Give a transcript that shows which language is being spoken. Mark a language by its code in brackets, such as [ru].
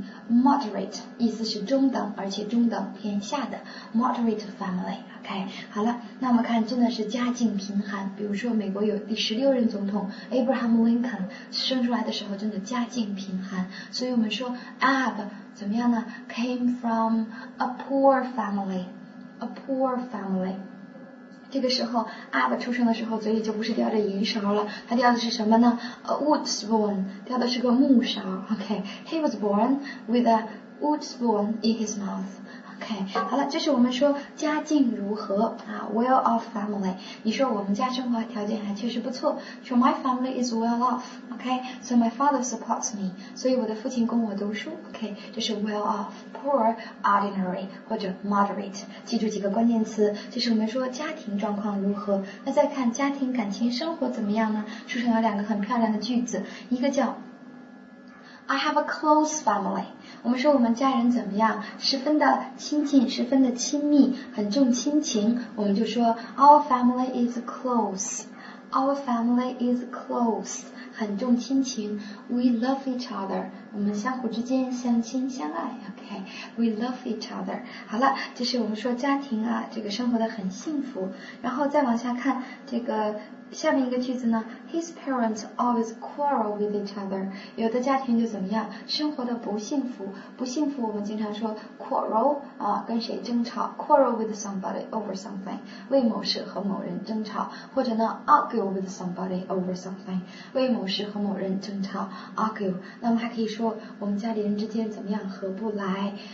[zh] Moderate, 意思是中等，而且中等偏下的 [en] moderate family. [zh] OK, 好了，那我们看真的是家境贫寒。比如说美国有第16任总统 Abraham Lincoln, 生出来的时候真的家境贫寒。所以我们说 Ab, 怎么样呢 ? [en] came from a poor family. A poor family. [zh] 这个时候 ,Ab 出生的时候嘴里就不是叼着银勺了，他叼的是什么呢 ? [en] A wood spoon, [zh] 叼的是个木勺 ,OK, [en] he was born with a wood spoon in his mouth, [zh] OK, 好了，这是我们说家境如何啊 , [en] well off family, [zh] 你说我们家生活条件还确实不错，说 [en] my family is well off, [zh] OK, [en] so my father supports me, [zh] 所以我的父亲供我读书 ,OK, 这是 well off,Poor, ordinary, 或者 moderate. 记住几个关键词，就是我们说家庭状况如何。那再看家庭感情生活怎么样呢？书上有两个很漂亮的句子，一个叫 [en] I have a close family. [zh] 我们说我们家人怎么样？十分的亲近，十分的亲密，很重亲情。 [en] 我们就说 Our family is close. Our family is close. [zh] 很重亲情 , [en] we love each other, [zh] 我们相互之间相亲相爱 ,OK, we love each other, 好了，这是我们说家庭啊，这个生活得很幸福，然后再往下看，这个下面一个句子呢 , [en] his parents always quarrel with each other, [zh] 有的家庭就怎么样，生活得不幸福，不幸福我们经常说 quarrel, 啊，跟谁争吵 , [en] quarrel with somebody over something, [zh] 为某事和某人争吵，或者呢 , [en] argue with somebody over something, [zh] 为某事和某人争吵 ,argue, 那么还可以说我们家里人之间怎么样合不来